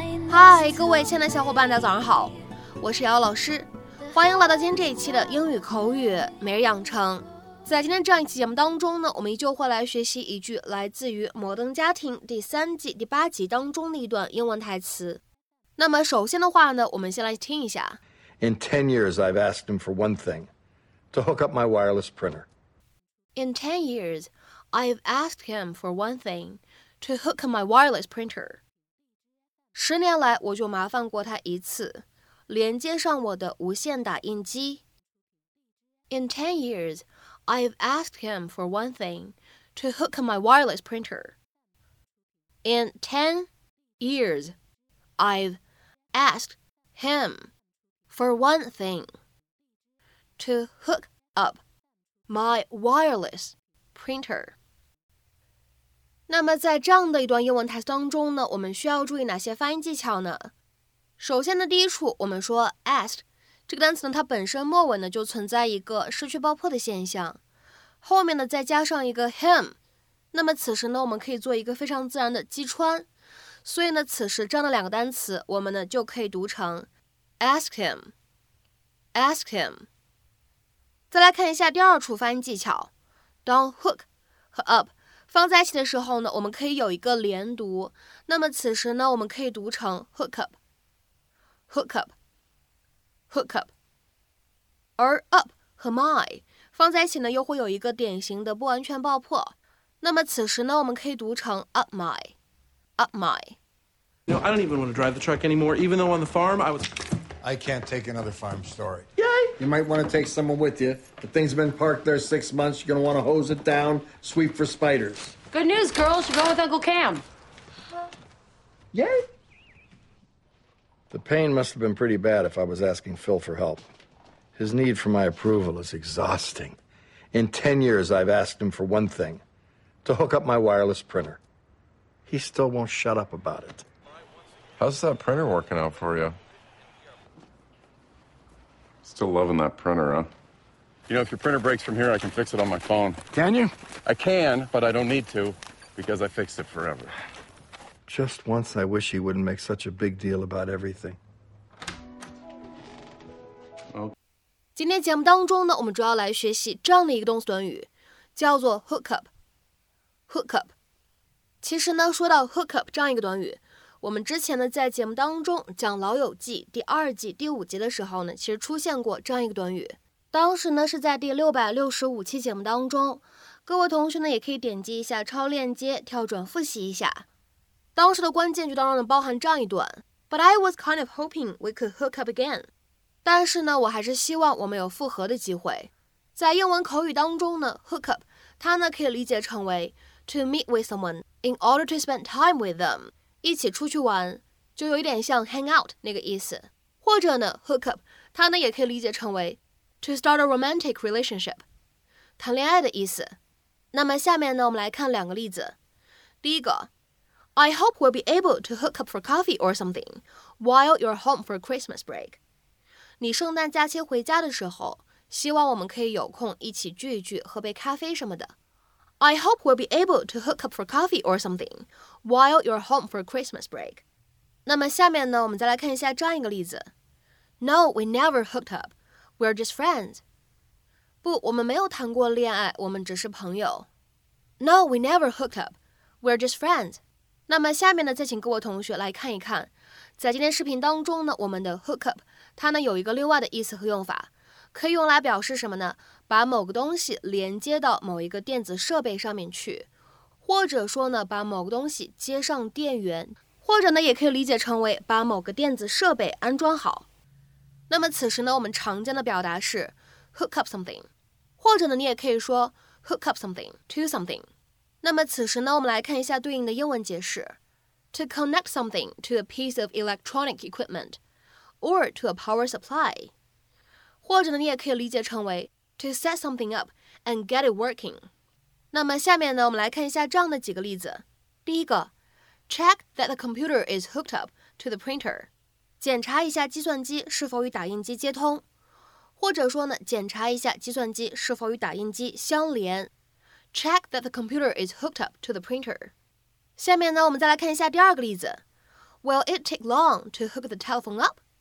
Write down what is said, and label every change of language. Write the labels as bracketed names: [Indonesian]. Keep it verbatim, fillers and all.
[Chinese] 嗨，各位亲爱的小伙伴，大家早上好，我是瑶瑶老师，欢迎来到今天这一期的英语口语每日养成。在今天这样一期节目当中呢，我们依旧会来学习一句来自于《摩登家庭》第三季第八集当中的一段英文台词。那么首先的话呢，我们先来听一下。 [English] In ten years, I've asked him for one thing, to hook up my wireless printer. In ten years, I've asked him for one thing, to hook up my wireless printer. [Chinese] 十年来我就麻烦过他一次，连接上我的无线打印机。 [English] In ten years, I've asked him for one thing, to hook up my wireless printer. In ten years, I've asked him for one thing, to hook up my wireless printer. [Chinese] 那么在这样的一段英文台词当中呢，我们需要注意哪些发音技巧呢？首先呢，第一处我们说 asked 这个单词呢，它本身末尾呢就存在一个失去爆破的现象，后面呢再加上一个 him， 那么此时呢我们可以做一个非常自然的击穿，所以呢此时这样的两个单词我们呢就可以读成 [English] ask him ask him。 [Chinese] 再来看一下第二处发音技巧，当 hook 和 up放在一起的时候呢，我们可以有一个连读，那么此时呢我们可以读成 [English] hook up hook up hook up。 [Chinese] 而 up 和 my 放在一起呢又会有一个典型的不完全爆破，那么此时呢我们可以读成 [English] up my up my。 You know, I don't even want to drive the truck anymore, even though on the farm I was... I can't take another farm story. Yay! You might want to take someone with you. The thing's been parked there six months. You're going to want to hose it down, sweep for spiders. Good news, girls. You're going with Uncle Cam. Yay! The pain must have been pretty bad if I was asking Phil for help. His need for my approval is exhausting. In ten years, I've asked him for one thing, to hook up my wireless printer. He still won't shut up about it. How's that printer working out for you? Still loving that printer, huh? You know, if your printer breaks from here, I can fix it on my phone. Can you? I can, but I don't need to, because I fixed it forever. Just once, I wish he wouldn't make such a big deal about everything. Okay. [Chinese] 今天节目当中呢，我们主要来学习这样的一个动词短语，叫做 hook up。 hook up。其实呢，说到 hook up 这样一个短语。我们之前呢在节目当中讲《老友记》第二季第五集的时候呢，其实出现过这样一个短语。当时呢是在第六百六十五期节目当中，各位同学呢也可以点击一下超链接跳转复习一下。当时的关键句当中呢包含这样一段 [English] ：But I was kind of hoping we could hook up again。 [Chinese] 但是呢，我还是希望我们有复合的机会。在英文口语当中呢 [English] ，hook up [Chinese] 它呢可以理解成为 [English] to meet with someone in order to spend time with them。 [Chinese] 一起出去玩，就有一点像 hang out 那个意思。或者呢 hook up 它呢也可以理解成为 [English] to start a romantic relationship， [Chinese] 谈恋爱的意思。那么下面呢我们来看两个例子。第一个 [English] I hope we'll be able to hook up for coffee or something while you're home for Christmas break。 [Chinese] 你圣诞假期回家的时候，希望我们可以有空一起聚一聚，喝杯咖啡什么的。 [English] I hope we'll be able to hook up for coffee or something while you're home for Christmas break. [Chinese] 那么下面呢，我们再来看一下这样一个例子。 [English] No, we never hooked up. We're just friends. [Chinese] 不，我们没有谈过恋爱，我们只是朋友。 [English] No, we never hooked up. We're just friends. [Chinese] 那么下面呢，再请各位同学来看一看，在今天视频当中呢，我们的 hook up 它呢有一个另外的意思和用法。可以用来表示什么呢？把某个东西连接到某一个电子设备上面去，或者说呢，把某个东西接上电源，或者呢，也可以理解成为把某个电子设备安装好。那么此时呢，我们常见的表达是 [English] hook up something， [Chinese] 或者呢，你也可以说 [English] hook up something to something。 [Chinese] 那么此时呢，我们来看一下对应的英文解释 [English] ：to connect something to a piece of electronic equipment or to a power supply。 [Chinese] 或者呢，你也可以理解成为 [English] to set something up and get it working。 [Chinese] 那么下面呢，我们来看一下这样的几个例子。第一个 [English] check that the computer is hooked up to the printer， [Chinese] 检查一下计算机是否与打印机接通，或者说呢，检查一下计算机是否与打印机相连。 [English] check that the computer is hooked up to the printer。 [Chinese] 下面呢，我们再来看一下第二个例子。 [English] Will it take long to hook the telephone up?